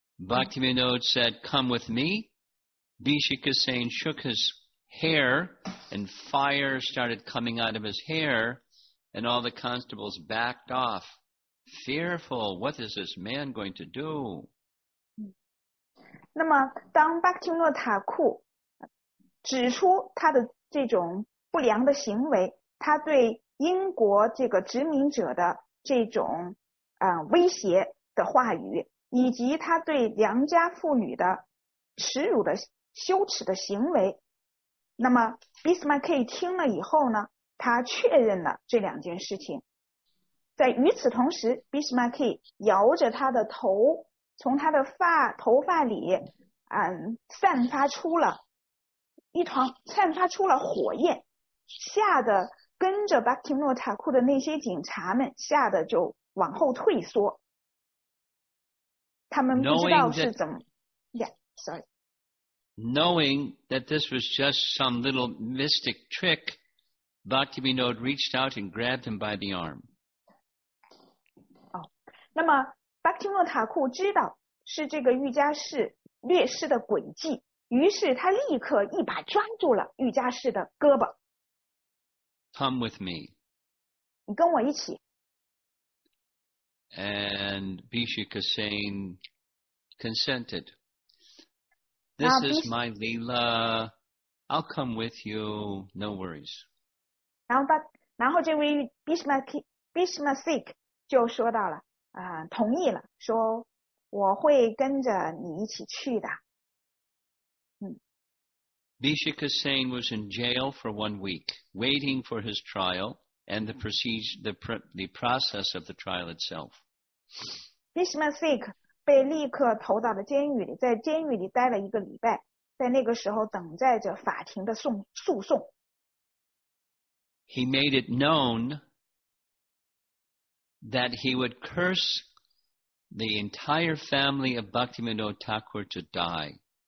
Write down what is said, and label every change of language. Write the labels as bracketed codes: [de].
[en] Bhaktivinoda said, "Come with me." Bhishikasen shook his hair, and fire started coming out of his hair. And all the constables backed off, fearful, what is this man going to do? [zh] 那么当巴克提诺塔库指出他的这种不良的行为，他对英国这个殖民者的这种威胁的话语，以及他对良家妇女的耻辱的羞耻的行为。那么 Bismarck 听了以后呢，他确认了这两件事情。在与此同时， Bismarck 摇着他的头，从他的头发里散发出了一团散发出了火焰，吓得跟着巴金诺塔库的那些警察们吓得就往后退缩，他们不知道是怎么 [en] Knowing that this was just some little mystic trick, Bhaktivinoda reached out and grabbed him by the arm. [zh] 那么 Bhaktivinoda Thakur 知道是这个瑜伽士略施的诡计，于是他立刻一把抓住了瑜伽士的胳膊。 [en] Come with me. [zh] 你跟我一起。 [en] And Bhishika Sen consented. This is my Leela. I'll come with you. No worries. [zh] 然后这位 Bismarck 就说到了，同意了，说我会跟着你一起去的。 [en] Bhishika Sen was in jail for 1 week, waiting for his trial and the process of the trial itself. [zh] Bismarck被立刻投到了监狱里，在监狱里待了一个礼拜，在那个时候等待着法庭的诉讼。 [en] He made it known that he would curse the entire family of Bhaktivinoda Thakur to die.